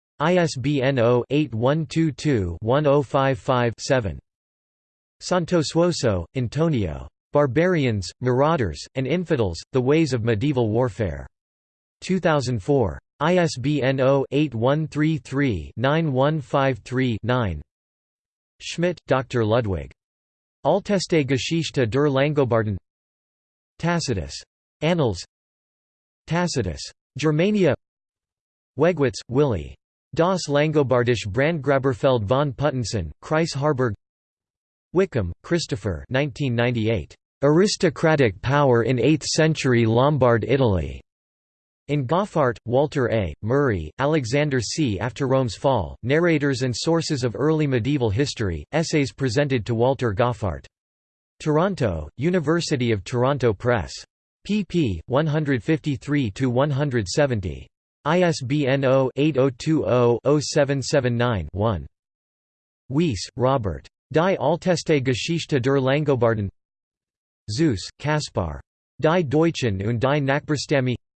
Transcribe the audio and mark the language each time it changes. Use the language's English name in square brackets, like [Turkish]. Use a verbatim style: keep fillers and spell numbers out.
[English] I S B N zero eight one two two one zero five five seven. Santosuoso, Antonio. Barbarians, Marauders, and Infidels, The Ways of Medieval Warfare. two thousand four. I S B N zero eight one three three nine one five three nine. Schmidt, Doctor Ludwig. [German] Alteste Geschichte der Langobarden. [English] Tacitus. Annals. Tacitus. Germania. Wegwitz, Willi. [German] Das Langobardische Brandgraberfeld von Puttensen, Kreis Harburg. [English] Wickham, Christopher. nineteen ninety-eight. Aristocratic Power in eighth century Lombard Italy. In Goffart, Walter A., Murray, Alexander C. After Rome's Fall, Narrators and Sources of Early Medieval History, Essays presented to Walter Goffart. Toronto, University of Toronto Press. Pp. one fifty-three to one seventy. I S B N zero eight zero two zero zero seven seven nine one. Weiss, Robert. [German] Die Alteste Geschichte der Langobarden. Zeus, Kaspar. Die Deutschen und die Nachbarstämme.